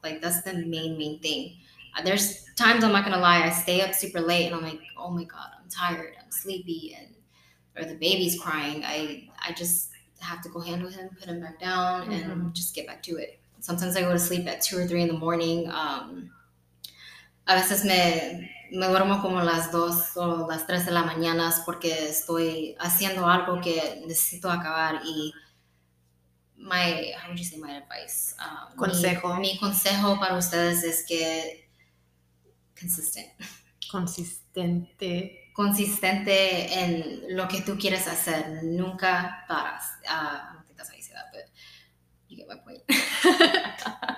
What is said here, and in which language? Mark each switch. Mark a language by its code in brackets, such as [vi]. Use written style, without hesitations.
[en] Like, that's the main thing. There's times, I'm not going to lie, I stay up super late and I'm like, oh my God, I'm tired. I'm sleepy. Or the baby's crying. I just have to go handle him, put him back down, and just get back to it. Sometimes I go to sleep at 2 or 3 in the morning. [es] A veces me duermo como las 2 o las 3 de la mañana porque estoy haciendo algo que necesito acabar. [en] Y my, how would you say my advice? [es] Consejo. Mi consejo para ustedes es que [en] consistent. [es] Consistente. Consistente en lo que tú quieres hacer. Nunca paras. [en] I don't think that's how you say that, but you get my point.